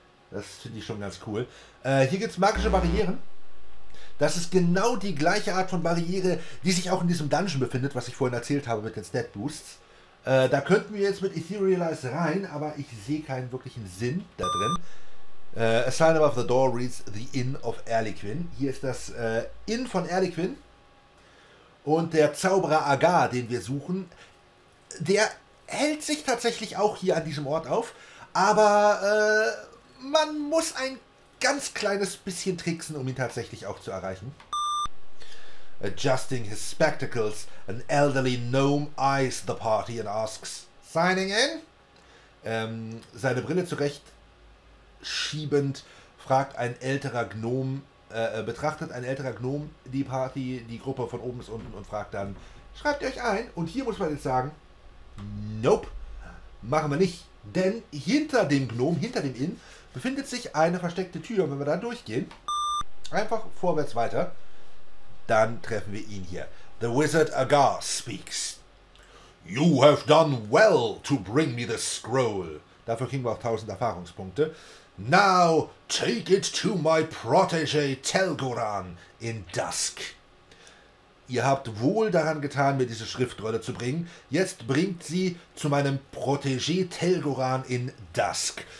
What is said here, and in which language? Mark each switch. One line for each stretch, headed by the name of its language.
German: Das finde ich schon ganz cool. Hier gibt es magische Barrieren. Das ist genau die gleiche Art von Barriere, die sich auch in diesem Dungeon befindet, was ich vorhin erzählt habe mit den Stat Boosts. Da könnten wir jetzt mit Etherealize rein, aber ich sehe keinen wirklichen Sinn da drin.
English: A sign above the door reads the Inn of Erdequin.
German: Hier ist das Inn von Erdequin. Und der Zauberer Agar, den wir suchen, der hält sich tatsächlich auch hier an diesem Ort auf. Aber man muss ein ganz kleines bisschen tricksen, um ihn tatsächlich auch zu erreichen.
English: Adjusting his spectacles, an elderly gnome eyes the party and asks, signing in?
German: Seine Brille zurechtschiebend fragt ein älterer Gnome, betrachtet ein älterer Gnome die Party, die Gruppe von oben bis unten und fragt dann, schreibt ihr euch ein? Und hier muss man jetzt sagen, nope, machen wir nicht. Denn hinter dem Gnome, hinter dem Inn, befindet sich eine versteckte Tür. Und wenn wir da durchgehen, einfach vorwärts weiter, dann treffen wir ihn hier.
English: The Wizard Agar speaks. You have done well to bring me the scroll.
German: Dafür kriegen wir auch 1000 Erfahrungspunkte.
English: Now take it to my protege Telgoran in Dusk.
German: Ihr habt wohl daran getan, mir diese Schriftrolle zu bringen. Jetzt bringt sie zu meinem protege Telgoran in Dusk.